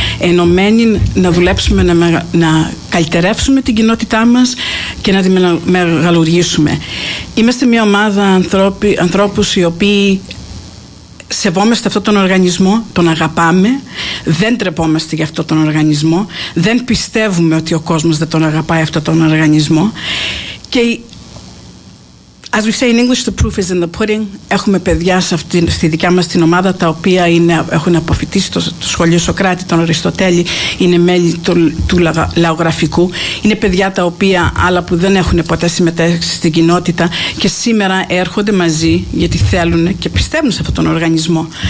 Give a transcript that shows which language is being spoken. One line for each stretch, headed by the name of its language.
Greek: Ενωμένοι να δουλέψουμε, να καλυτερεύσουμε την κοινότητά μας και να τη μεγαλουργήσουμε. Είμαστε μια ομάδα ανθρώπους οι οποίοι σεβόμαστε αυτόν τον οργανισμό, τον αγαπάμε, δεν τρεπόμαστε για αυτόν τον οργανισμό, δεν πιστεύουμε ότι ο κόσμος δεν τον αγαπάει αυτόν τον οργανισμό.
English: Και as we say in English, the proof is in the pudding.
Greek: Έχουμε παιδιά στη δικιά μας την ομάδα τα οποία έχουν αποφοιτήσει το σχολείο Σοκράτη, τον Αριστοτέλη, είναι μέλη του λαογραφικού. Είναι παιδιά τα οποία, άλλα που δεν έχουν ποτέ συμμετέχει στην κοινότητα, και σήμερα έρχονται μαζί γιατί θέλουν και πιστεύουν σε αυτόν τον οργανισμό.